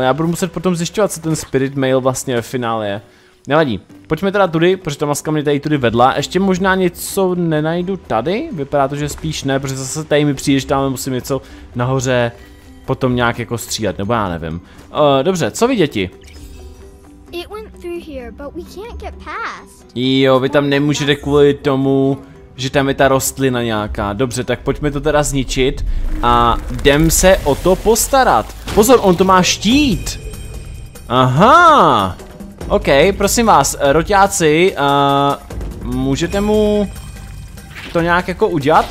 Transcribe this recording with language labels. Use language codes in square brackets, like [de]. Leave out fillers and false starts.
[cs] Já budu muset potom zjišťovat, co ten spirit mail vlastně ve finále je. Nevadí. Pojďme teda tudy, protože ta maska mě tady tudy vedla. Ještě možná něco nenajdu tady. Vypadá to, že spíš ne, protože zase tady mi přijde, že tam musím něco nahoře potom nějak jako střílet, nebo já nevím. Dobře, co vy děti? [en] It went through here, but we can't get past. [cs] Jo, vy tam nemůžete kvůli tomu, že tam je ta rostlina nějaká. Dobře, tak pojďme to teda zničit a jdem se o to postarat. Pozor, on to má štít. Aha. OK, prosím vás, roťáci, můžete mu to nějak jako udělat?